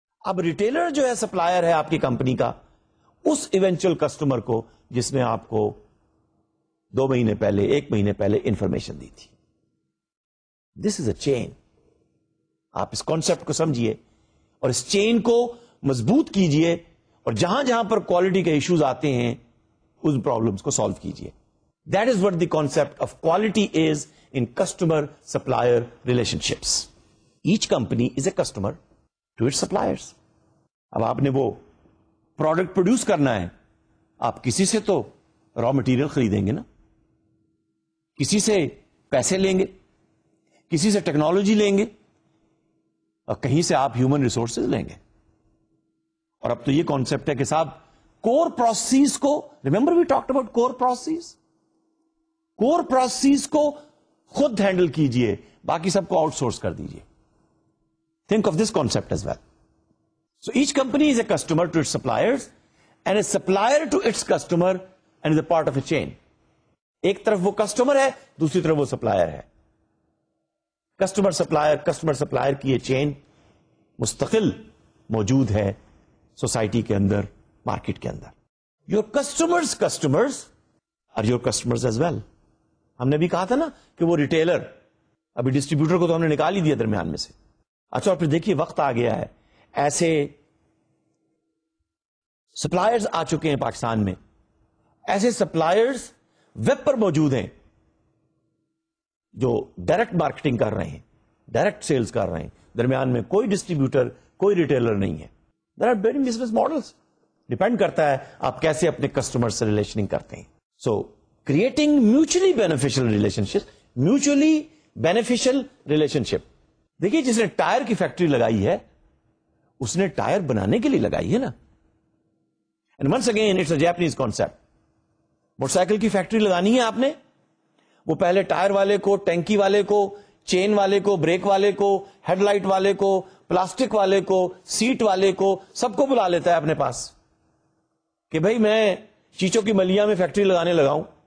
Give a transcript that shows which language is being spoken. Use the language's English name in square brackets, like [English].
[Urdu] اب ریٹیلر جو ہے سپلائر ہے آپ کی کمپنی کا اس ایونچوئل کسٹمر کو جس نے آپ کو دو مہینے پہلے ایک مہینے پہلے انفارمیشن دی تھی. [English] this is a chain, [Urdu] آپ اس کانسیپٹ کو سمجھیے اور اس چین کو مضبوط کیجئے, اور جہاں جہاں پر کوالٹی کے ایشوز آتے ہیں اس پرابلمس کو سالو کیجئے. [English] That is what the concept of quality is in customer supplier relationships. Each company is a customer to its suppliers. [Urdu] اب آپ نے وہ پروڈکٹ پروڈیوس کرنا ہے, آپ کسی سے تو را مٹیریل خریدیں گے نا, کسی سے پیسے لیں گے, کسی سے ٹیکنالوجی لیں گے, اور کہیں سے آپ ہیومن ریسورسز لیں گے. اور اب تو یہ کانسیپٹ ہے کہ صاحب کور پروسیس کو, [English] remember we talked about core process, [Urdu] cover process کو خود ہینڈل کیجئے, باقی سب کو آؤٹ سورس کر دیجئے. [English] Think of this concept as well. So each company is a customer to its suppliers and a supplier to its customer and is a part of a chain. [Urdu] ایک طرف وہ customer ہے, دوسری طرف وہ supplier ہے. Customer supplier کی یہ chain مستقل موجود ہے society کے اندر, market کے اندر. [English] Your customers' customers are your customers as well. [Urdu] ہم نے بھی کہا تھا نا کہ وہ retailer, ابھی distributor کو تو ہم نے نکال ہی دیا درمیان میں سے. اچھا اور پھر دیکھیے وقت آ گیا ہے, ایسے سپلائرز آ چکے ہیں پاکستان میں, ایسے سپلائرز ویب پر موجود ہیں جو ڈائریکٹ مارکیٹنگ کر رہے ہیں, ڈائریکٹ سیلز کر رہے ہیں, درمیان میں کوئی ڈسٹریبیوٹر کوئی ریٹیلر نہیں ہے. [English] there are very business models, [Urdu] depend کرتا ہے آپ کیسے اپنے کسٹمر سے ریلیشننگ کرتے ہیں. [English] so creating mutually beneficial relationship, mutually beneficial relationship, [Urdu] دیکھیے جس نے ٹائر کی فیکٹری لگائی ہے اس نے ٹائر بنانے کے لیے لگائی ہے نا. [English] And once again it's a Japanese concept. [Urdu] Motor cycle کی فیکٹری لگانی ہے آپ نے, وہ پہلے ٹائر والے کو, ٹینکی والے کو, چین والے کو, بریک والے کو, ہیڈ لائٹ والے کو, پلاسٹک والے کو, سیٹ والے کو, سب کو بلا لیتا ہے اپنے پاس کہ بھائی میں شیچوں کی ملیاں میں فیکٹری لگانے لگاؤں.